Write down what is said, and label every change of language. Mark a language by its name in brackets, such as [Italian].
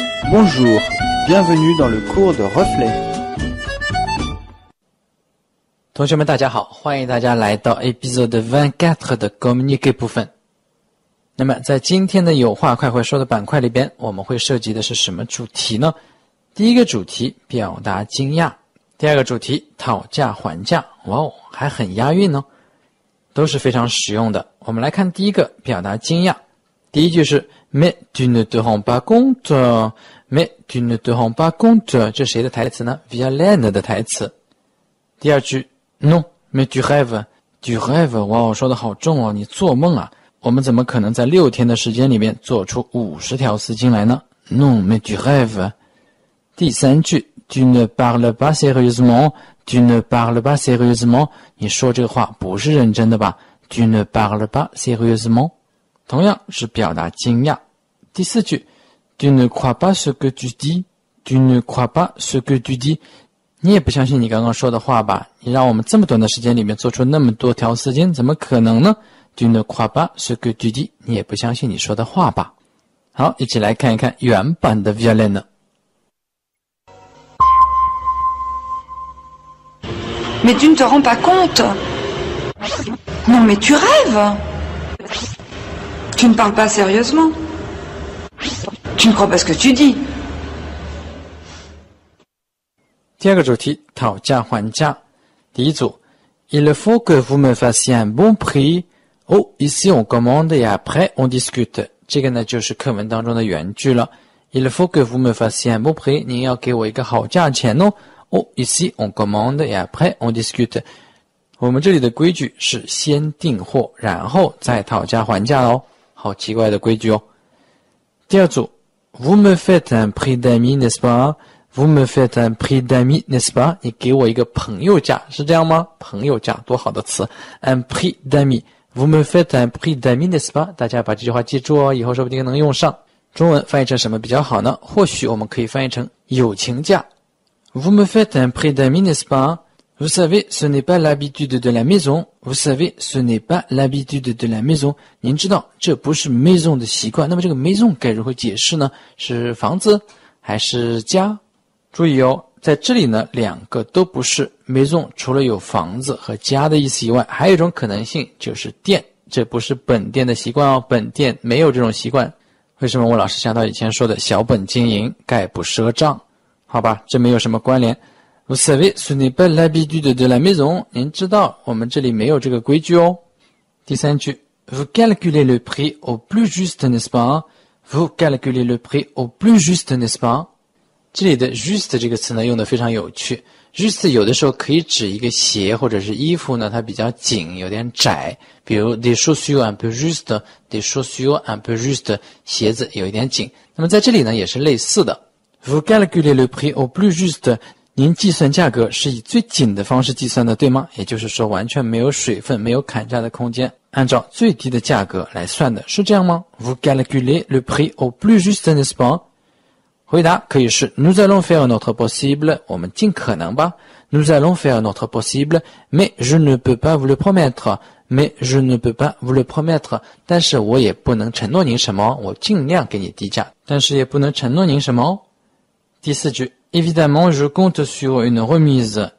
[French] Bonjour, bienvenue dans le cours de reflet. [Chinese] 同学们大家好，欢迎大家来到 episode 24的 communique 部分。那么在今天的有话快快说的板块里边，我们会涉及的是什么主题呢？第一个主题，表达惊讶。第二个主题，讨价还价。哇哦，还很押韵哦，都是非常实用的。我们来看第一个，表达惊讶。 [French] 第一句是 Mais tu ne te rends pas compte Mais tu ne te rends pas compte， [Chinese] 这谁的台词呢？ Violaine 的台词。第二句 [French] Non mais tu rêves Tu rêves， [Chinese] 哇哦，说得好重哦，你做梦啊，我们怎么可能在六天的时间里面做出50条丝巾来呢？ [French] Non mais tu rêves。第三句Tu ne parles pas sérieusement, tu ne parles pas sérieusement, [Chinese] 你说这个话不是认真的吧？ [French] Tu ne parles pas sérieusement, [Chinese] 同样是表达惊讶。 [French] 第四句 Tu ne crois pas ce que tu dis, tu ne crois pas ce que tu dis, [Chinese] 你也不相信你刚刚说的话吧？你让我们这么短的时间里面做出那么多条丝巾，怎么可能呢？ [French] Tu ne crois pas ce que tu dis, [Chinese] 你也不相信你说的话吧？好，一起来看一看原版的 Violaine。 [French] Mais tu ne te rends pas compte. Non, mais tu rêves. Tu ne parles pas sérieusement. Tu ne crois pas ce que tu dis. [Chinese] 第二个主题，讨价还价。第一组 [French] Il faut que vous me fassiez un bon prix. Oh, ici on commande et après on discute. [Chinese] 这个呢就是课文当中的原句了。 [French] Il faut que vous me fassiez un bon prix. [Chinese] 您要给我一个好价钱哦。 [French] Oh, ici on commande et après on discute. [Chinese] 我们这里的规矩是先订货然后再讨价还价哦。好奇怪的规矩哦。第二组 [French] Vous me faites un prix d'ami, n'est-ce pas? Vous me faites un prix d'ami, n'est-ce pas? [Chinese] 你给我一个朋友价是这样吗？朋友价多好的词。 [French] Un prix d'ami. Vous me faites un prix d'ami, n'est-ce pas? [Chinese] 大家把这句话记住哦，以后说不定能用上。中文翻译成什么比较好呢？或许我们可以翻译成友情价。 [French] Vous me faites un prix d'ami, n'est-ce pas? Vous savez, ce n'est pas l'habitude de la maison. Vous savez, ce n'est pas l'habitude de la maison. [Chinese] 您知道，这不是 maison 的习惯。那么这个 maison 该如何解释呢？是房子还是家？注意哦，在这里呢，两个都不是 maison， 除了有房子和家的意思以外，还有一种可能性就是店。这不是本店的习惯哦，本店没有这种习惯。为什么我老是想到以前说的小本经营，概不赊账？好吧，这没有什么关联。 [French] Vous savez, ce n'est pas l'habitude de la maison. [Chinese] 您知道，我们这里没有这个规矩哦。第三句 [French] ，Vous calculez le prix au plus juste, n'est-ce pas? Vous calculez le prix au plus juste, n'est-ce pas? [Chinese] 这里的 juste 这个词呢，用得非常有趣。juste 有的时候可以指一个鞋或者是衣服呢，它比较紧，有点窄。 [French] 比如 des chaussures un peu juste, des chaussures un peu juste， [Chinese] 鞋子有一点紧。那么在这里呢，也是类似的。 [French] Vous calculez le prix au plus juste， [Chinese] 您计算价格是以最紧的方式计算的，对吗？也就是说完全没有水分，没有砍价的空间，按照最低的价格来算的，是这样吗？ [French] Vous calculez le prix au plus juste, n'est-ce pas？ [Chinese] 回答可以是 [French] Nous allons faire notre possible， [Chinese] 我们尽可能吧。 [French] Nous allons faire notre possible， mais je ne peux pas vous le promettre， mais je ne peux pas vous le promettre， [Chinese] 但是我也不能承诺您什么，我尽量给你低价，但是也不能承诺您什么。第四句 [French] Évidemment, je compte sur une remise.